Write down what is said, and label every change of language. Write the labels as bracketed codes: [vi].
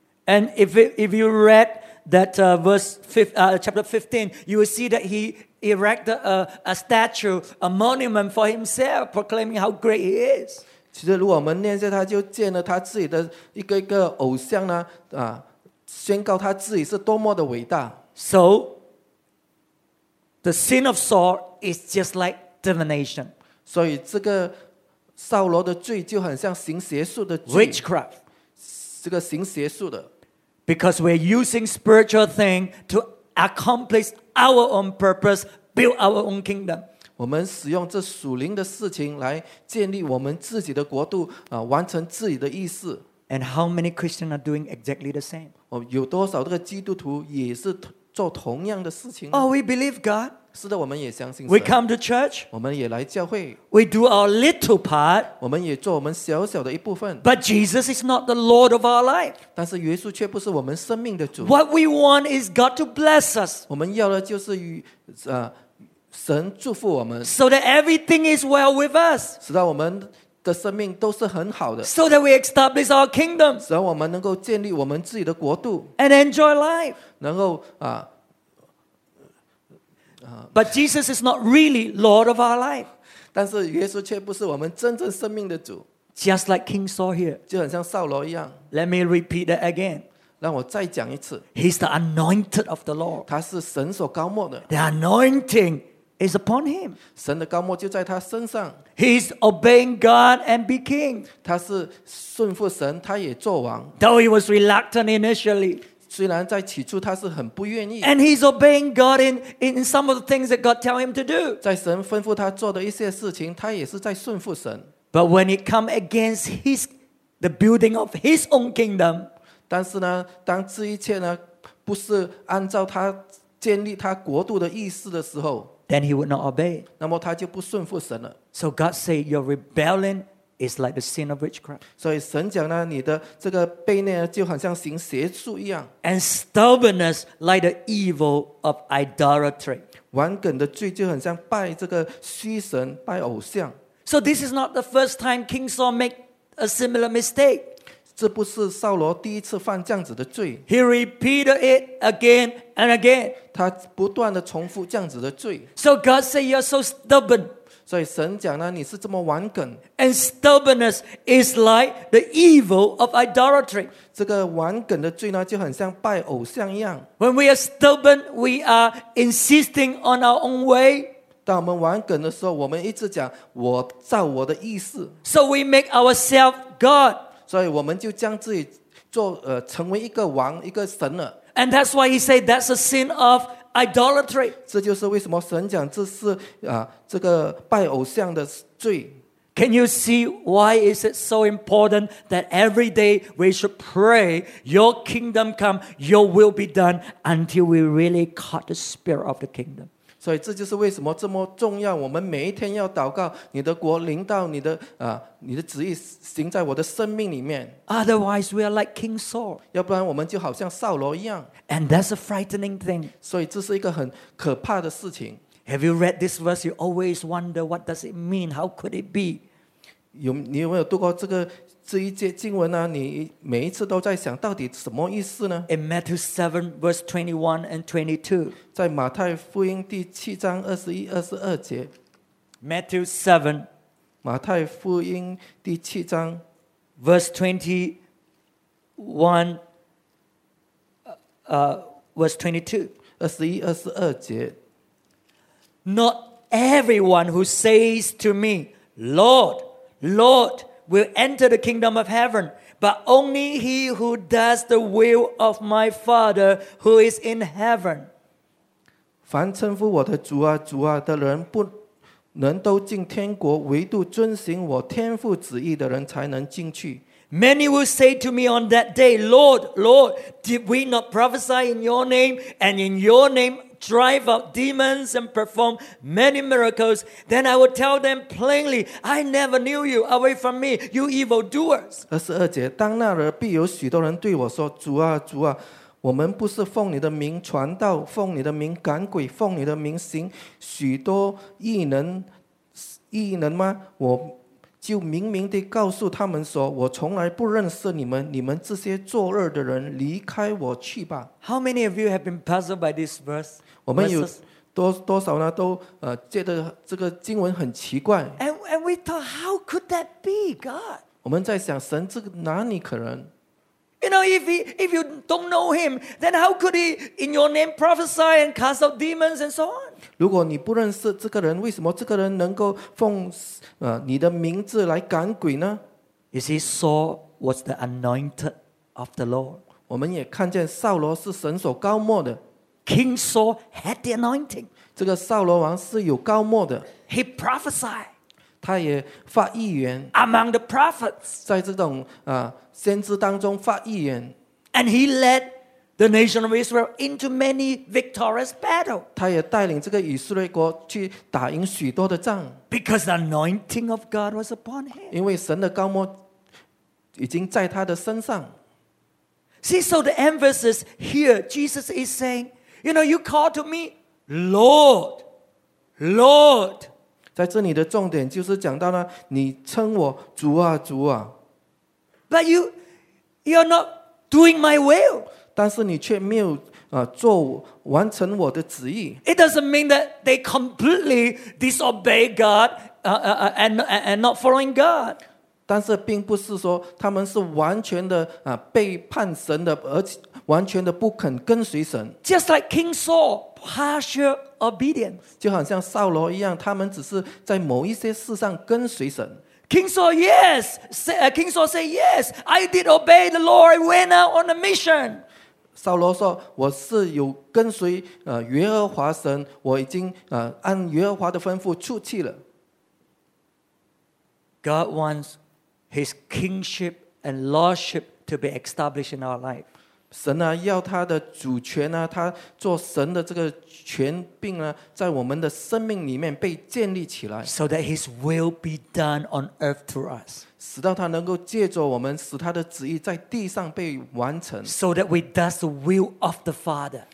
[en] And if you readThat chapter 15, you will see that he erected a statue, a monument for himself, proclaiming how great he is. [zh] 其实如果我们念一下，他就建了他自己的一个一个偶像呢，宣告他自己是多么的伟大。 [en] So, the sin of Saul is just like divination. [zh] 所以这个扫罗的罪就很像行邪术的罪。 [en] Witchcraft. [zh] 这个行邪术的。 [en] Because we're using spiritual things to accomplish our own purpose, build our own kingdom. [zh] 我们使用这属灵的事情来建立我们自己的国度，完成自己的意思。 [en] And how many Christians are doing exactly the same? [zh] 有多少这个基督徒也是做同样的事情？ [en] Oh, we believe God. [zh] 是的，我们也相信 [en] 神。We come to church. [zh] 我们也来教会。 [en] We do our little part. [zh] 我们也做我们小小的一部分。 [en] But Jesus is not the Lord of our life. [zh] 但是耶稣却不是我们生命的主。 [en] What we want is God to bless us. [zh] 我们要的就是与神祝福我们。 [en] So that everything is well with us. [zh] 使到我们的生命都是很好的。 [en] So that we establish our kingdom. [zh] 使我们能够建立我们自己的国度。 [en] And enjoy life. [zh] 能够 [en] But Jesus is not really Lord of our life. [zh] 但是耶稣却不是我们真正生命的主。 [en] Just like King Saul here. [zh] 就很像扫罗一样。 [en] Let me repeat that again. [zh] 让我再讲一次。 [en] He's the anointed of the Lord. [zh] 他是神所膏抹的。 [en] The anointing is upon him. [zh] 神的膏抹就在他身上。 [en] He's obeying God and be king. [zh] 他是顺服神，他也做王。 [en] Though he was reluctant initially. [zh] 虽然在起初他是很不愿意。 [en] And he's obeying God in some of the things that God tell him to do. [zh] 在神吩咐他做的一些事情，他也是在顺服神。 [en] But when it come against the building of his own kingdom, [zh] 但是呢，当这一切呢，不是按照他建立他国度的意思的时候， [en] then he would not obey. [zh] 那么他就不顺服神了。 [en] So God say your rebellion. It's like the sin of witchcraft. [zh] 所以神讲呢，你的这个悖逆就很像行邪术一样。 [en] And stubbornness like the evil of idolatry. [zh] 顽梗的罪就很像拜这个虚神、拜偶像。 [en] So this is not the first time King Saul made a similar mistake. [zh] 这不是扫罗第一次犯这样子的罪。 [en] He repeated it again and again. [zh] 他不断的重复这样子的罪。 [en] So God said, "You're so stubborn." [zh] 所以神讲呢，你是这么顽梗。 [en] And stubbornness is like the evil of idolatry. [zh] 这个顽梗的罪呢，就很像拜偶像一样。 [en] When we are stubborn, we are insisting on our own way. [zh] 当我们顽梗的时候，我们一直讲我照我的意思。 [en] So we make ourselves God. [zh] 所以我们就将自己做成为一个王，一个神了。 [en] And that's why he said that's a sin of. Idolatry. [zh] 这就是为什么神讲这是这个拜偶像的罪。 [en] Can you see why is it so important that every day we should pray, Your kingdom come, Your will be done, until we really caught the spirit of the kingdom? [zh] 所以这就是为什么这么重要。我们每一天要祷告，你的国临到，你的旨意行在我的生命里面。 [en] Otherwise, we are like King Saul. [zh] 要不然我们就好像扫罗一样。 [en] And that's a frightening thing. [zh] 所以这是一个很可怕的事情。 [en] Have you read this verse? You always wonder what does it mean? How could it be? [zh] 你有没有读过这一节经文呢？你每一次都在想，到底什么意思呢？ [en] In Matthew 7, verse 21 and 22. [zh] 在马太福音第七章二十一、二十二节。 [en] Matthew 7. [zh] 马太福音第七章。 [en] Verse 21. Verse 22. [zh] 二十一、二十二节。 [en] Not everyone who says to me, Lord, Lord,will enter the kingdom of heaven, but only he who does the will of my Father who is in heaven. [zh] 凡称呼我的主啊主啊的人不能都进天国，唯独遵行我天父旨意的人才能进去。 [en] Many will say to me on that day, Lord, Lord, did we not prophesy in your name and in your name drive out demons and perform many miracles? Then I will tell them plainly, I never knew you. Away from me, you evil doers. [zh] 22节，当那日必有许多人对我说，主啊，主啊，我们不是奉你的名传道，奉你的名赶鬼，奉你的名行许多异能吗？我就明明地告诉他们说，我从来不认识你们，你们这些作恶的人，离开我去吧。 [en] How many of you have been puzzled by this verse? [zh] 我们有多少呢？都觉得这个经文很奇怪。 [en] And we thought, how could that be, God? [zh] 我们在想，神这个哪里可能？ [en] You know, if you don't know him, then how could he in your name prophesy and cast out demons and so on? [zh] 如果你不认识这个人，为什么这个人能够奉你的名字来赶鬼呢？ [en] You see, Saul was the anointed of the Lord. [zh] 我们也看见扫罗是神所膏抹的。 [en] King Saul had the anointing. [zh] 这个扫罗王是有膏抹的。 [en] He prophesied. [zh] 他也发预言 [en] among the prophets, [zh] 在这种先知当中发预言 [en] and he led the nation of Israel into many victorious battles. [zh] 他也带领这个以色列国去打赢许多的仗 [en] because the anointing of God was upon him. [zh] 因为神的膏抹已经在他的身上 [en] See, so the emphasis here, Jesus is saying, you know, you call to me, Lord, Lord. [zh] 在这里的重点就是讲到了你称我主啊主啊 [en] But you're not doing my will. [zh] 但是你却没有做完成我的旨意 [en] It doesn't mean that they completely disobey God and not following God. [zh] 但是并不是说他们是完全的背叛神的而且完全的不肯跟随神 [en] Just like King Saul, partial obedience [zh] 就好像扫罗一样他们只是在某一些事上跟随神 [en] King Saul, yes King Saul said, yes I did obey the Lord I went out on a mission [zh] 扫罗说我是有跟随耶和华神我已经按耶和华的吩咐出去了 [en] God wants his kingship and lordship to be established in our life [zh] 神啊要他的主权啊他做神的这个权柄啊在我们的生命里面被建立起来 [en] So that his will be done on earth through us [zh] 使到他能够借着我们使他的旨意在地上被完成 [en] So that we do the will of the Father